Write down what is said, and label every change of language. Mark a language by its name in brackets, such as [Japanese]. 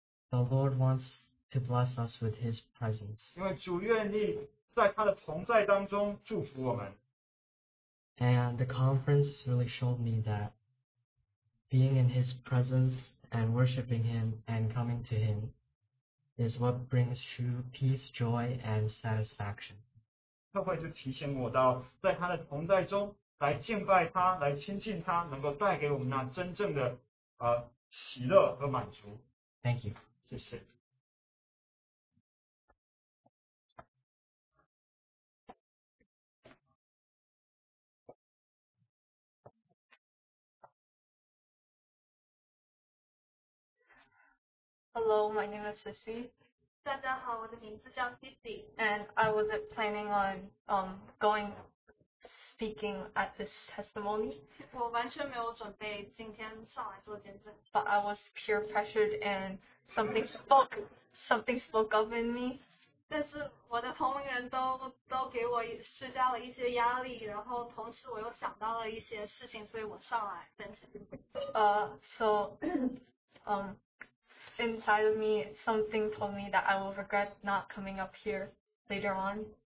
[English] The Lord wants to bless us with his presence. [Chinese] 因为主愿意在他的同在当中祝福我们。 [English] And the conference really showed me that being in his presence and worshiping him and coming to him is what brings true peace, joy, and satisfaction. [Chinese] 教会就提醒我到在他的同在中来敬拜他，来亲近他，能够带给我们那真正的 喜乐和满足。 [English] Thank you. [Chinese] 谢谢。 [English] Hello, my name is Sissy. [Chinese] 大家好，我的名字叫Sissy. [English] And I wasn't planning on speaking at this testimony. [Chinese] 我完全没有准备今天上来做见证. [English] But I was peer pressured and something spoke up in me. [Chinese] 但是我的同龄人都给我施加了一些压力，然后同时我又想到了一些事情，所以我上来分享. [English] Inside of me, something told me that I will regret not coming up here later on.